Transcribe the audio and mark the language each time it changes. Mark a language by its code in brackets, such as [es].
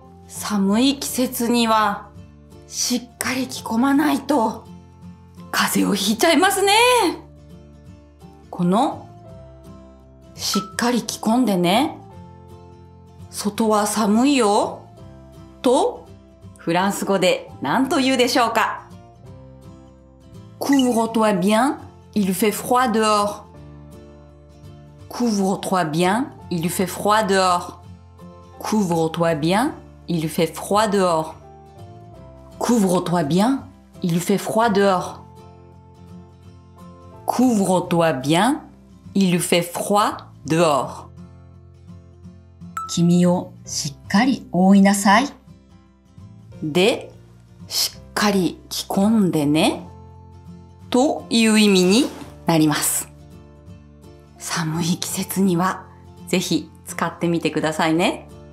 [ja] 寒い季節にはしっかり着込まないと風邪をひいちゃいますね。このしっかり着込んでね、外は寒いよとフランス語で何と言うでしょうか。 [fr] Couvre-toi bien, il fait froid dehors. Couvre-toi bien, il fait froid dehors. Couvre-toi bien, il fait froid dehors. Couvre-toi bien, il fait froid dehors. Couvre-toi bien, il fait froid dehors. [ja] 君をしっかり覆いなさい。で、しっかり着込んでね。という意味になります。寒い季節にはぜひ使ってみてくださいね。